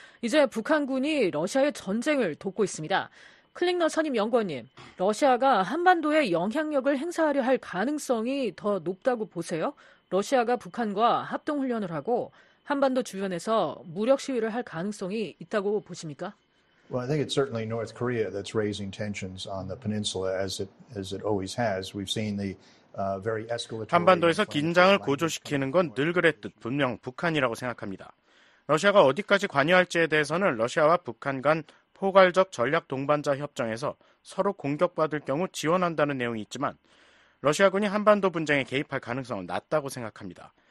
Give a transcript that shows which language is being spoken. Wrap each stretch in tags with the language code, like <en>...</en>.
<ko>이제 북한군이 러시아의 전쟁을 돕고 있습니다. 클링너 선임 연구원님, 러시아가 한반도에 영향력을 행사하려 할 가능성이 더 높다고 보세요? 러시아가 북한과 합동훈련을 하고 한반도 주변에서 무력 시위를 할 가능성이 있다고 보십니까?</ko> <en>Well, I think it's certainly North Korea that's raising tensions on the peninsula as it always has. We've seen the very escalatory</en> <ko>한반도에서 긴장을 고조시키는 건 늘 그랬듯 분명 북한이라고 생각합니다. 러시아가 어디까지 관여할지에 대해서는 러시아와 북한 간 포괄적 전략 동반자 협정에서 서로 공격받을 경우 지원한다는 내용이 있지만 러시아군이 한반도 분쟁에 개입할 가능성은 낮다고 생각합니다.</ko>